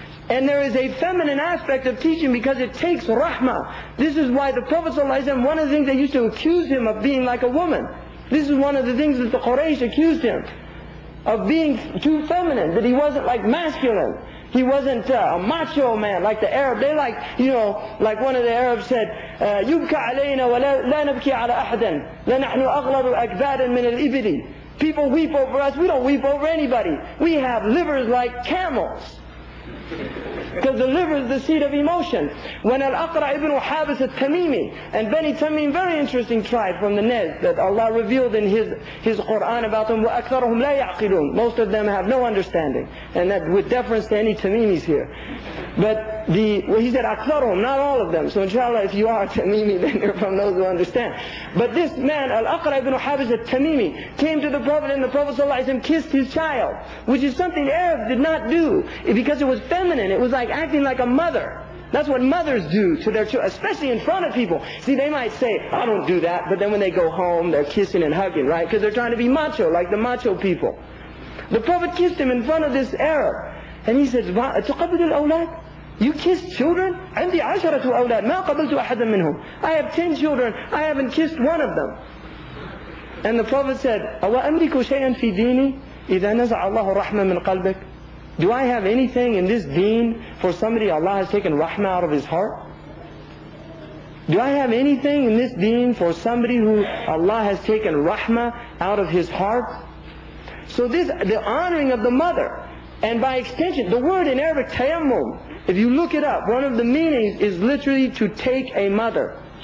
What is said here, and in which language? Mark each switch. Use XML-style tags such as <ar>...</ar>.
<en>And there is a feminine aspect of teaching, because it takes rahmah. This is why the Prophet ﷺ, one of the things they used to accuse him of, being like a woman. This is one of the things that the Quraysh accused him of, being too feminine, that he wasn't like masculine. He wasn't a macho man like the Arab. They like, you know, like one of the Arabs said,</en> <ar>يُبْكَ عَلَيْنَا وَلَا نَبْكِي عَلَى أَحْدٍ لَنَحْنُ أَغْلَبُ أَكْبَارٍ مِنَ الْإِبْلِ.</ar> <en>People weep over us, we don't weep over anybody. We have livers like camels. that delivers the seed of emotion. When Al-Aqra ibn Habis al-Tamimi, and Bani Tamim, very interesting tribe from the Nez that Allah revealed in his Quran about them,</en> <ar>وَأَكْثَرُهُمْ لَا يَعْقِلُونَ,</ar> <en>most of them have no understanding. And that with deference to any Tamimis here. But the, well, he said أَكْثَرُهُمْ, not all of them. So inshallah, if you are Tamimi, then you're from those who understand. But this man, Al-Aqra ibn Habis al-Tamimi, came to the Prophet, and the Prophet kissed his child, which is something Arabs did not do, because it was feminine. It was like acting like a mother. That's what mothers do to their children, especially in front of people. See, they might say, I don't do that, but then when they go home, they're kissing and hugging, right? Because they're trying to be macho, like the macho people. The Prophet kissed him in front of this Arab, and he says,</en> <ar>تقبل الأولاد?</ar> <en>You kiss children?</en> <ar>عندي عشرة أولاد ما قبلت أحدا منهم.</ar> <en>I have 10 children, I haven't kissed one of them. And the Prophet said,</en> <ar>أَوَا أَمْلِكُ شَيْئًا فِي دِينِي إِذَا نَزَعَ اللَّهُ رَحْمًا مِنْ قَلْبِكَ.</ar> <en>Do I have anything in this deen for somebody Allah has taken rahmah out of his heart? Do I have anything in this deen for somebody who Allah has taken rahmah out of his heart? So this, the honoring of the mother, and by extension, the word in Arabic, tayammum, if you look it up, one of the meanings is literally to take a mother.</en>